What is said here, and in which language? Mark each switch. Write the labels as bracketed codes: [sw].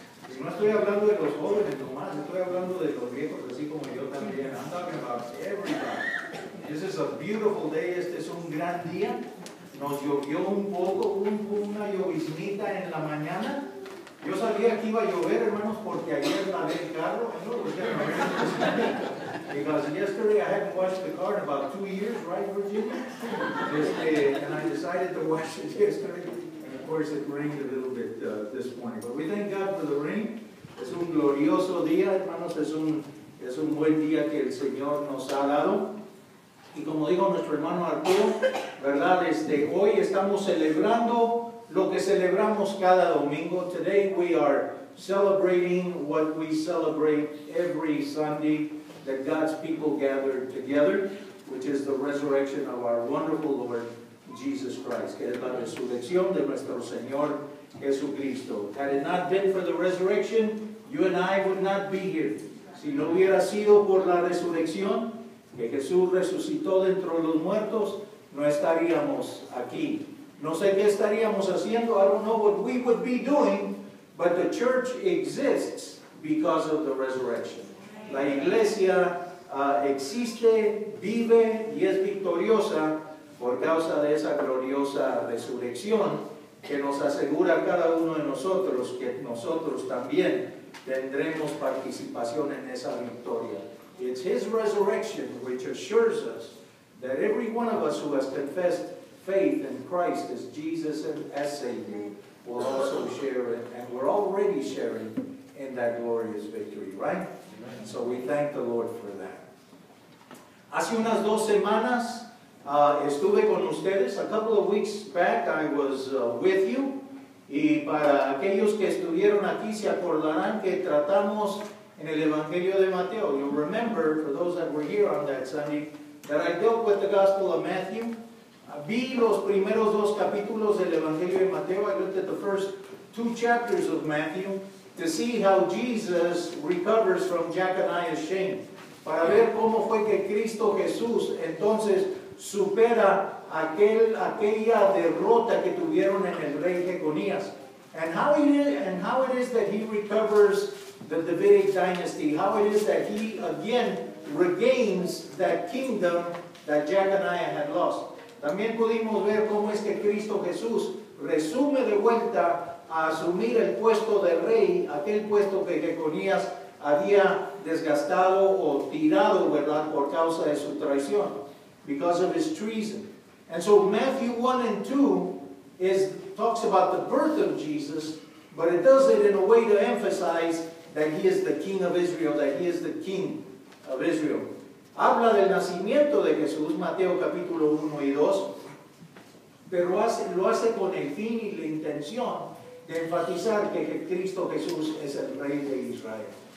[es] Y no estoy hablando de los jóvenes nomás, estoy hablando de los viejos, así como yo también. [en] I'm talking about everybody. This is a beautiful day. [es] Este es un gran día. Nos llovió un poco, una lloviznita en la mañana. Yo sabía que iba a llover, hermanos, porque ayer lavé el carro. [en] No, because yesterday I hadn't washed the car in about 2 years, right, Virginia? And I decided to wash it yesterday. And of course it rained a little bit this morning. But we thank God for the rain. [es] Es un glorioso día, hermanos. Es un buen día que el Señor nos ha dado. Y como dijo nuestro hermano Arturo, ¿verdad? Hoy estamos celebrando lo que celebramos cada domingo. [en] Today we are celebrating what we celebrate every Sunday that God's people gather together, which is the resurrection of our wonderful Lord Jesus Christ. [es] Que es la resurrección de nuestro Señor Jesucristo. [en] Had it not been for the resurrection, you and I would not be here. [es] Si no hubiera sido por la resurrección, que Jesús resucitó dentro de los muertos, no estaríamos aquí. No sé qué estaríamos haciendo. [en] I don't know what we would be doing, but the church exists because of the resurrection. [es] La iglesia existe, vive y es victoriosa por causa de esa gloriosa resurrección que nos asegura a cada uno de nosotros que nosotros también tendremos participación en esa victoria. [en] It's His resurrection which assures us that every one of us who has confessed faith in Christ as Jesus and as Savior will also share it, and we're already sharing in that glorious victory, right? Amen. So we thank the Lord for that. [es] Hace unas dos semanas estuve con ustedes. [en] A couple of weeks back I was with you. [es] Y para aquellos que estuvieron aquí se acordarán que tratamos en el Evangelio de Mateo. [en] You remember, for those that were here on that Sunday, that I dealt with the Gospel of Matthew. [es] Vi los primeros dos capítulos del Evangelio de Mateo. [en] I looked at the first two chapters of Matthew to see how Jesus recovers from Jeconiah's shame. [es] Para ver cómo fue que Cristo Jesús entonces supera aquella derrota que tuvieron en el rey Jeconías. [en] And how it is that he recovers the Davidic dynasty. How it is that he again regains that kingdom that Jeconiah had lost. [es] También pudimos ver cómo es que Cristo Jesús resume de vuelta a asumir el puesto de rey, aquel puesto que Jeconías había desgastado o tirado, ¿verdad?, por causa de su traición, [en] because of his treason. And so Matthew 1 and 2 talks about the birth of Jesus, but it does it in a way to emphasize that he is the king of Israel, that he is the king of Israel. [es] Habla del nacimiento de Jesús, Mateo capítulo 1 y 2, pero lo hace con el fin y la intención de enfatizar que Cristo Jesús es el rey de Israel.